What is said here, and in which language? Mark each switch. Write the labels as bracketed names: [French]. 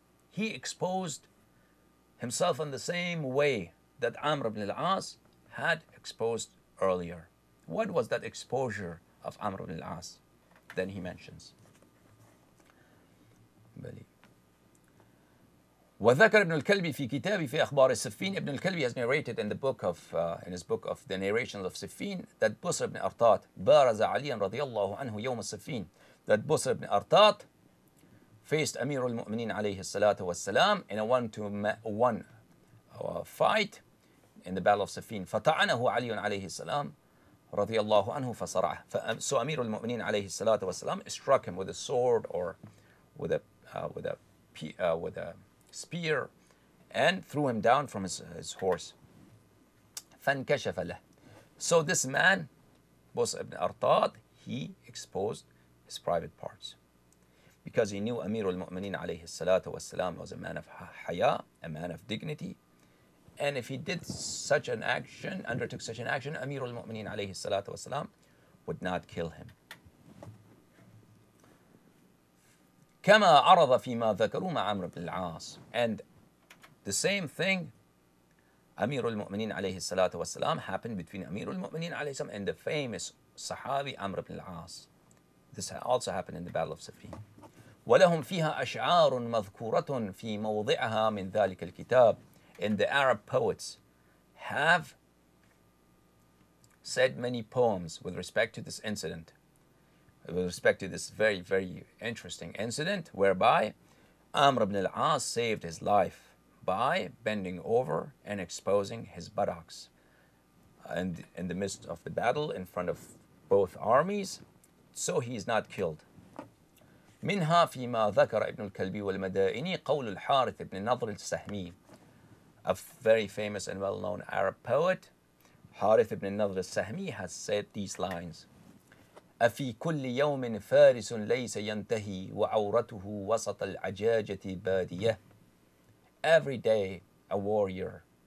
[English] He exposed himself in the same way that عمرو بن العاص had exposed earlier. What was that exposure of Amr ibn al-As, then he mentions. [Arabic] بلي. وذكر ابن الكلبي في كتابي في أخبار السفين. [English] Ibn al-Kalbi has narrated in the book of in his book of the narrations of Siffin that Busr ibn Artat [Arabic] بارز عليا رضي الله عنه يوم السفين. [English] That Busr ibn Artat faced Amir al-Mu'minin [Arabic] عليه الصلاة والسلام [English] in a one-to-one fight in the battle of Siffin. [Arabic] فطعنه علي عليه السلام رضي الله عنه فصرعه. [English] So [Arabic] أمير المؤمنين عليه الصلاة والسلام [English] struck him with a sword or with a spear and threw him down from his horse. [Arabic] فانكشف له. [English] So this man, Busr ibn Artat, he exposed his private parts because he knew [Arabic] أمير المؤمنين عليه الصلاة والسلام [English] was a man of حياء, a man of dignity. And if he did such an action, undertook such an action, Amir al-Mu'mineen alayhi salatu wasalam would not kill him. [Arabic] كما عرض فيما ذكروا مع عمرو بن العاص. [English] And the same thing, Amir al-Mu'mineen alayhi salatu wasalam happened between Amir al-Mu'mineen alayhi salam and the famous Sahabi Amr ibn al-As. This also happened in the Battle of Siffin. [Arabic] ولهم فيها أشعار مذكورة في موضعها من ذلك الكتاب. [English] And the Arab poets have said many poems with respect to this incident, with respect to this very, very interesting incident whereby Amr ibn al-As saved his life by bending over and exposing his buttocks. And in the midst of the battle in front of both armies, so he is not killed. [Arabic] منها فيما ذكر ابن الكلبي والمدائني قول الحارث ابن نضر السهمي. [English] A very famous and well-known Arab poet, Harith ibn Nadr al-Sahmi, has said these lines. [Arabic] أَفِي كُلِّ يَوْمٍ فَارِسٌ لَيْسَ يَنْتَهِي وَعَوْرَتُهُ وَسَطَ الْعَجَاجَةِ بَادِيَةِ. [English] Every day a warrior.